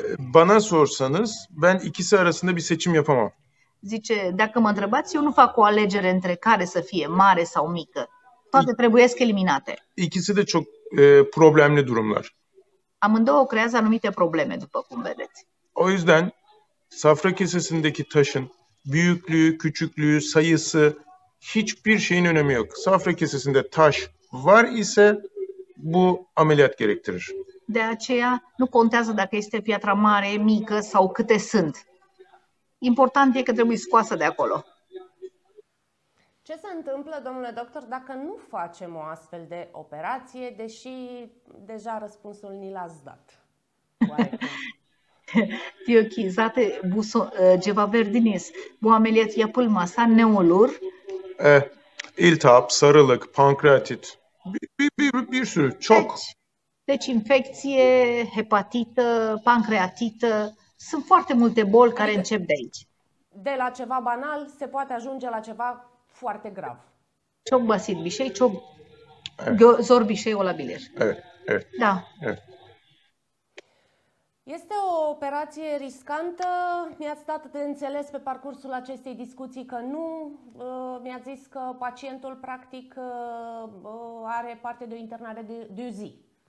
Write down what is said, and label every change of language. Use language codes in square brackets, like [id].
[tr] bana sorsanız ben ikisi arasında bir seçim yapamam. [ro] Zice, dacă mă întrebați, eu nu fac o alegere între care să fie mare sau mică. Toate trebuiesc eliminate. [tr] İkisi de çok problemli durumlar. [ro] Amândouă creează anumite probleme, după cum vedeți. [tr] O yüzden safra kesesindeki taşın büyüklüğü, küçüklüğü, sayısı hiçbir şeyin önemi yok. Safra kesesinde taş var ise bu ameliyat gerektirir. [ro] De aceea nu contează dacă este piatra mare, mică sau câte sunt. Important e că trebuie scoasă de acolo. Ce se întâmplă, domnule doctor, dacă nu facem o astfel de operație, deși deja răspunsul ni l-ați dat? Tioki, zate buso ceva verdiniz. [tr] Bu ameliyat yapılmasa ne olur? İltihap, sarılık, pankreatit. Bir sürü, çok. [ro] Deci infecție, hepatită, pancreatită, sunt foarte multe boli care încep de aici. De la ceva banal se poate ajunge la ceva foarte grav. [tr] Çok basit bir şey, çok zor bir şey olabilir. [ro] Da. Este o operație riscantă? Mi-ați dat de înțeles pe parcursul acestei discuții că nu. Mi-ați zis că pacientul practic are parte de o internare de o zi.